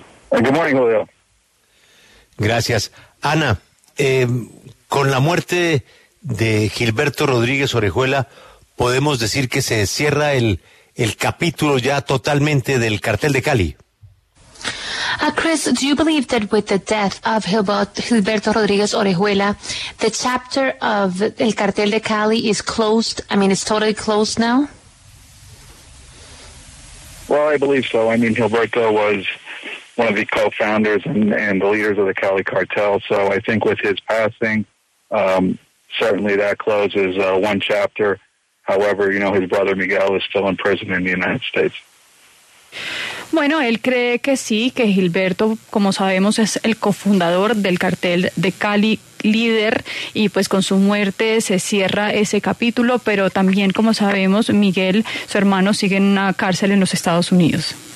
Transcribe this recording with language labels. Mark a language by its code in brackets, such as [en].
[en] Good morning, Julio. [es] Gracias. Ana, con la muerte de Gilberto Rodríguez Orejuela, ¿podemos decir que se cierra el capítulo ya totalmente del cartel de Cali? [en] Chris, do you believe that with the death of Gilberto Rodríguez Orejuela, the chapter of El Cartel de Cali is closed? I mean, it's totally closed now? Well, I believe so. I mean, Gilberto was one of the co-founders and the leaders of the Cali cartel. So I think with his passing, certainly that closes one chapter. However, you know, his brother Miguel is still in prison in the United States. [es] Bueno, él cree que sí, que Gilberto, como sabemos, es el cofundador del cartel de Cali, líder, y pues con su muerte se cierra ese capítulo, pero también, como sabemos, Miguel, su hermano, sigue en una cárcel en los Estados Unidos.